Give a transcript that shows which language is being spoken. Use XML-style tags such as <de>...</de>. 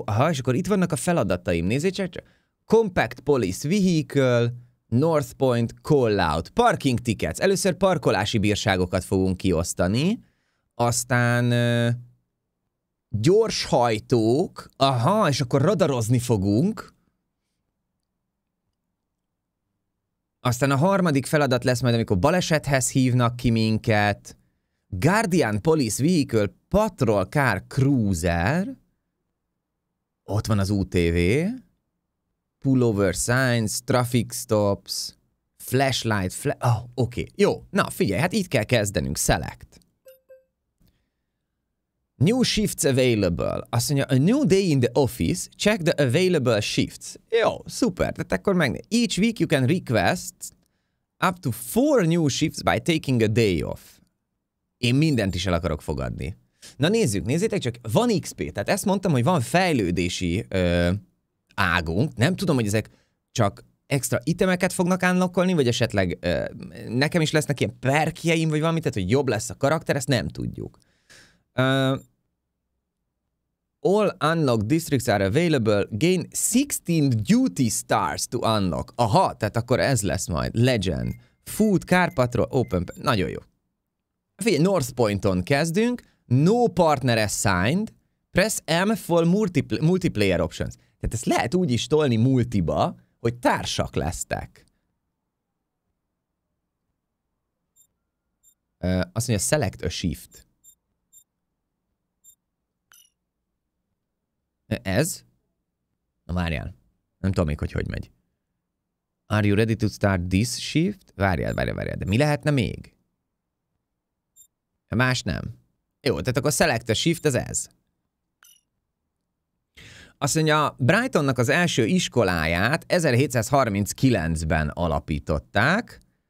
<hu>És akkor itt vannak a feladataim, nézzétek csak.</hu> <en>Compact Police Vehicle, North Point Callout, Parking Tickets.</en> <hu>Először parkolási bírságokat fogunk kiosztani. Aztán gyors hajtók. Aha, és akkor radarozni fogunk. Aztán a harmadik feladat lesz majd, amikor balesethez hívnak ki minket.</hu> <en>Guardian Police Vehicle Patrol Car Cruiser. Ott van az UTV. Pullover Signs, Traffic Stops, Flashlight, oké. Okay.</en> <hu>Jó, na figyelj, hát itt kell kezdenünk. Select.</hu> <en>New shifts available.</en> <hu>Azt mondja,</hu> <en>a new day in the office, check the available shifts.</en> <hu>Jó, szuper, tehát akkor megnéz.</hu> <en>Each week you can request up to 4 new shifts by taking a day off.</en> <hu>Én mindent is el akarok fogadni. Na nézzük, nézzétek csak, van XP, tehát ezt mondtam, hogy van fejlődési águnk. Nem tudom, hogy ezek csak extra itemeket fognak unlockolni, vagy esetleg nekem is lesznek ilyen perkjeim, vagy valami, tehát hogy jobb lesz a karakter, ezt nem tudjuk.</hu> <en>All unlock districts are available, gain 16 duty stars to unlock.</en> <hu>Aha, tehát akkor ez lesz majd. Legend, food, car patrol, open, nagyon jó. Figyelj, North Point-on kezdünk,</hu> <en>no partner assigned, press M for multiplayer options.</en> <hu>Tehát ezt lehet úgy is tolni multiba, hogy társak lesztek. Azt mondja,</hu> <en>select a shift.</en> <hu>Ez? Na várjál. Nem tudom még, hogy megy.</hu> <en>Are you ready to start this shift?</en> <hu>Várjál. De mi lehetne még? Más nem. Jó, tehát akkor</hu> <en>select a shift,</en> <hu>ez. Azt mondja, Brightonnak az első iskoláját 1739-ben alapították.</hu>